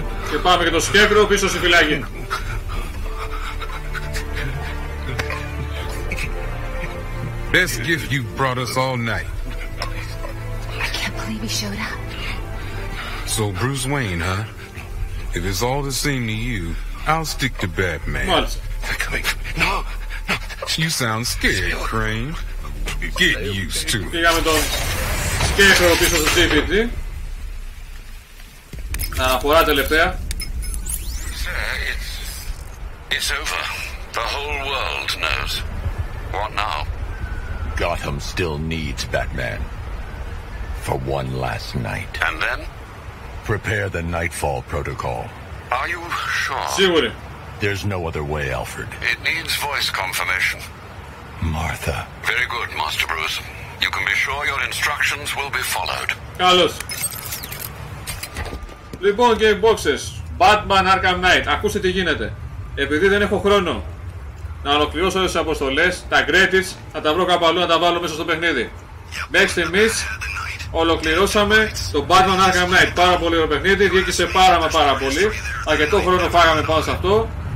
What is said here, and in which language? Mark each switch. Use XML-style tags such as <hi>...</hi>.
<el>Και πάμε και το σκέφτρο πίσω στη φυλάκη.</el> <en>Best gift you've brought us all night. I can't believe he showed up. So Bruce Wayne, huh? If it's all the same to you, I'll stick to Batman. What? They're coming. No! You sound scared, Crane. Get used to it.</en> <el>Πήγαμε τον Σκέφερο πίσω στο GPT. Αναφορά τελευταία.</el> <en>Sir, it's over. The whole world knows. What now? Gotham still needs Batman. For one last night. And then? Prepare the Nightfall Protocol. Are you sure?</en> <el>Σίγουρη.</el> <en>There's no other way, Alfred. It needs voice confirmation. Martha. Very good, Master Bruce. You can be sure your instructions will be followed.</en> <el>Καλώς. Λοιπόν, Game Boxes. Batman Arkham Knight. Ακούστε τι γίνεται. Επειδή δεν έχω χρόνο να ολοκληρώσω όλες τις αποστολές, τα credits, θα τα βρω κάπου αλλού να τα βάλω μέσα στο παιχνίδι. Μέχρι στιγμής ολοκληρώσαμε το Batman Arkham Knight. Πάρα πολύ ωραίο παιχνίδι, διέκυσε πάρα μα πάρα πολύ. Αρκετό χρόνο φάγαμε πάνω σε αυτό.</el>